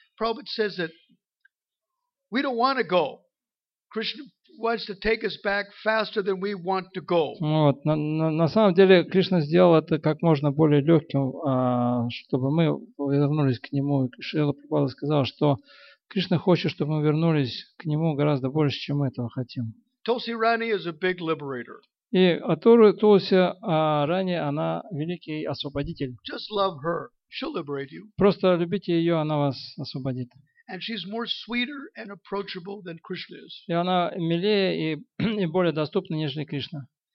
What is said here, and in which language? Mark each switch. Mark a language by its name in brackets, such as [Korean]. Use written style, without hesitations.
[English] Prabhupada says that we don't want to go. Krishna wants to take us back faster than we want to go. [Russian] Вот, на самом деле Кришна сделал это как можно более легким, чтобы мы вернулись к нему. Шрила Прабхупада сказал, что Кришна хочет, чтобы мы вернулись к нему гораздо больше, чем мы этого хотим. [English] Tulsi Rani is a big liberator. [Russian] И Тулси Рани, она великий освободитель. [English] Just love her. She'll liberate you. [Russian] Просто любите ее, она вас освободит. [English] And she's more sweeter and approachable than Krishna is. [Russian] И она милее и более доступна, нежели Кришна.